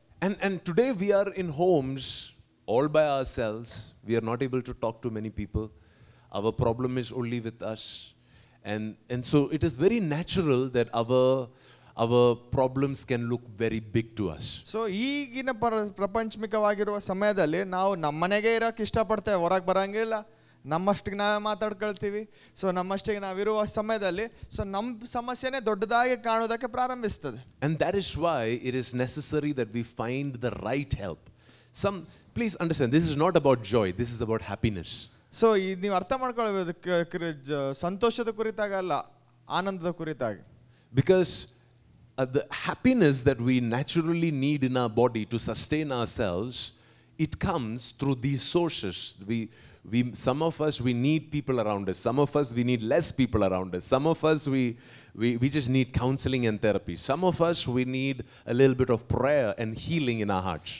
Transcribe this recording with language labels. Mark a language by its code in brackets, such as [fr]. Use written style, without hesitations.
[en] And today we are in homes all by ourselves. We are not able to talk to many people. Our problem is only with us. And so it is very natural that our problems can look very big to us. [kn] So ಈಗಿನ ಪ್ರಪಂಚಮಿಕವಾಗಿರುವ ಸಮಯದಲ್ಲಿ ನಾವು ನಮ್ಮ ಮನೆಗೆ ಇರೋಕೆ ಇಷ್ಟಪಡ್ತೇವೆ ಹೊರಗೆ ಬರಂಗಿಲ್ಲ ನಮ್ಮಷ್ಟಿಗೆ ನಾವೇ ಮಾತಾಡ್ಕೊಳ್ತೀವಿ ಸೊ ನಮ್ಮಷ್ಟಿಗೆ ನಾವಿರುವ ಸಮಯದಲ್ಲಿ ಸೊ ನಮ್ಮ ಸಮಸ್ಯೆನೇ ದೊಡ್ಡದಾಗಿ ಕಾಣೋದಕ್ಕೆ ಪ್ರಾರಂಭಿಸ್ತದೆ [en] and that is why it is necessary that we find the right help some please understand this is not about joy this is about happiness [kn] so ಇದು ನೀವು ಅರ್ಥ ಮಾಡ್ಕೊಳ್ಬೇಕು ಸಂತೋಷದ ಕುರಿತಾಗಲ್ಲ ಆನಂದದ ಕುರಿತಾಗಿ [en] because the happiness that we naturally need in our body to sustain ourselves it comes through these sources We some of us we need people around us some of us we need less people around us some of us we just need counseling and therapy some of us we need a little bit of prayer and healing in our hearts